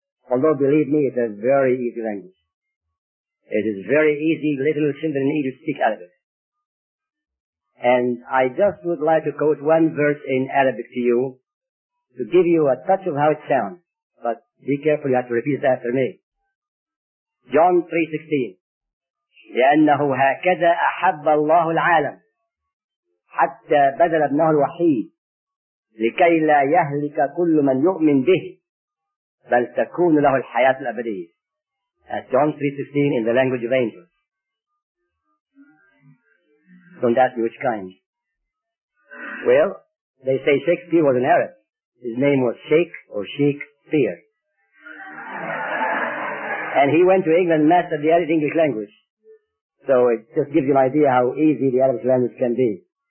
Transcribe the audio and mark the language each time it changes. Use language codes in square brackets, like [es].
[en] Although, believe me, it's a very easy language. It is very easy, little children need to speak Arabic. And I just would like to quote one verse in Arabic to you, to give you a touch of how it sounds. But be careful, you have to repeat it after me. John 3:16. [ar] لأنه هكذا أحب الله العالم حتى بذل ابنه الوحيد لكي لا يهلك كل من يؤمن به بل تكون له الحياة الأبدية. [en] That's John 3:16 in the language of angels. Don't ask me which kind. Well, they say Shakespeare was an Arab. His name was Shakespeare. And he went to England and mastered the English language. So it just gives you an idea how easy the Arabic language can be.